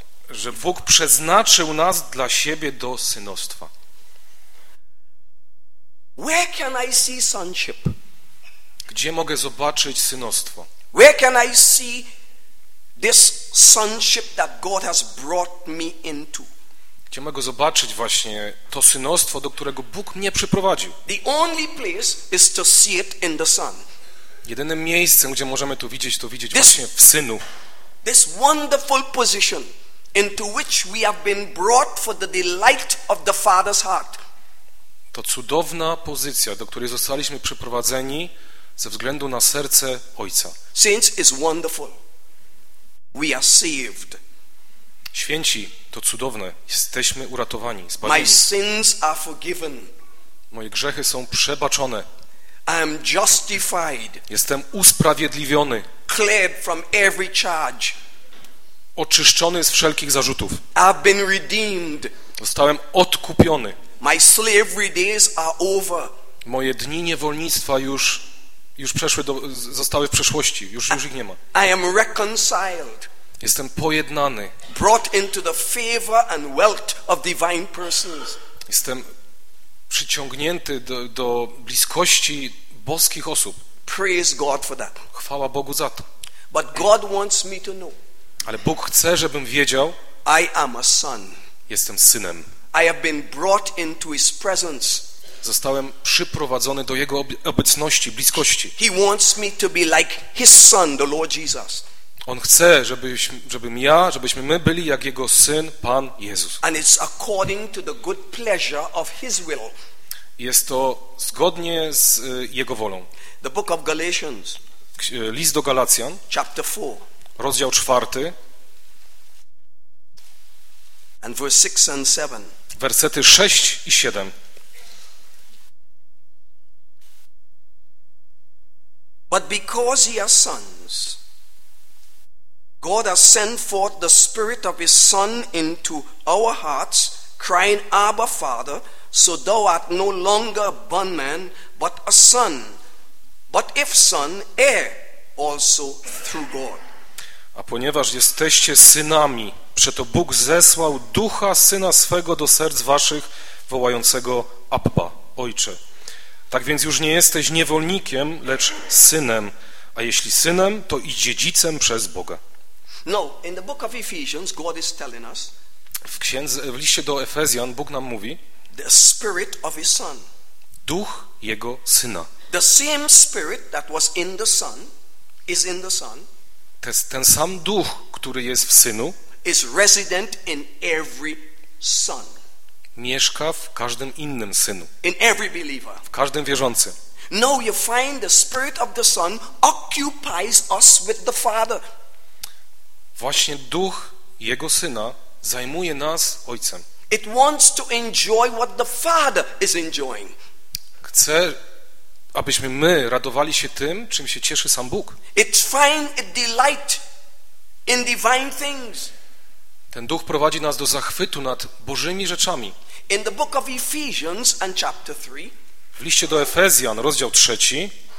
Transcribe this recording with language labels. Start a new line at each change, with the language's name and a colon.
Polish: Że Bóg przeznaczył nas dla siebie do synostwa.
English: Where can I see sonship?
Polish: Gdzie mogę zobaczyć synostwo?
English: Where can I see this sonship that God has brought me into?
Polish: Gdzie mogę zobaczyć właśnie to synostwo, do którego Bóg mnie przyprowadził?
English: The only place is to see it in the Son.
Polish: Jedynym miejscem, gdzie możemy to widzieć
English: this,
Polish: właśnie w Synu.
English: This wonderful position into which we have been brought for the delight of the Father's heart.
Polish: To cudowna pozycja, do której zostaliśmy przyprowadzeni ze względu na serce Ojca.
English: Saints, it's wonderful. We are saved.
Polish: Święci, to cudowne. Jesteśmy uratowani, zbawieni.
English: My sins are forgiven.
Polish: Moje grzechy są przebaczone.
English: I am justified.
Polish: Jestem usprawiedliwiony.
English: Cleared from every charge.
Polish: Oczyszczony z wszelkich zarzutów.
English: I've been redeemed.
Polish: Zostałem odkupiony.
English: My slavery days are over.
Polish: Moje dni niewolnictwa już przeszły zostały w przeszłości. Już ich nie ma.
English: I am reconciled.
Polish: Jestem pojednany.
English: Brought into the favor and wealth of divine persons.
Polish: Jestem przyciągnięty do bliskości boskich osób.
English: Praise God for that.
Polish: Chwała Bogu za to.
English: But God wants me to know.
Polish: Ale Bóg chce, żebym wiedział.
English: I am a son.
Polish: Jestem synem.
English: I have been brought into his presence.
Polish: Zostałem przyprowadzony do jego obecności, bliskości.
English: He wants me to be like his son, the Lord Jesus.
Polish: On chce, żebyśmy my byli jak jego syn, Pan Jezus.
English: And it's according to the good pleasure of his will.
Polish: Jest to zgodnie z jego wolą.
English: The book of Galatians.
Polish: List do Galacjan.
English: Chapter 4.
Polish: Rozdział 4.
English: And verse 6 and 7.
Polish: Wersety 6 i 7.
English: But because ye are sons, God has sent forth the Spirit of his Son into our hearts, crying, Abba, Father, so thou art no longer a bondman, but a son. But if son, heir also through God.
Polish: A ponieważ jesteście synami, przeto Bóg zesłał ducha syna swego do serc waszych, wołającego Abba, Ojcze. Tak więc już nie jesteś niewolnikiem, lecz synem, a jeśli synem, to i dziedzicem przez Boga.
English: Now, in the book of Ephesians, God is telling us,
Polish: w liście do Efezjan Bóg nam mówi,
English: the spirit of his son.
Polish: Duch Jego Syna.
English: The same spirit that was in the son is in the son.
Polish: Ten sam duch, który jest w synu,
English: is resident in every son.
Polish: Mieszka w każdym innym synu.
English: In every believer.
Polish: W każdym wierzącym.
English: No, you find the spirit of the son occupies us with the father.
Polish: Właśnie duch jego syna zajmuje nas ojcem.
English: It wants to enjoy what the father is enjoying.
Polish: Chce, abyśmy my radowali się tym, czym się cieszy sam Bóg.
English: It finds a delight in divine things.
Polish: Ten duch prowadzi nas do zachwytu nad Bożymi rzeczami.
English: In the book of Ephesians and chapter 3.
Polish: W liście do Efezjan, rozdział 3.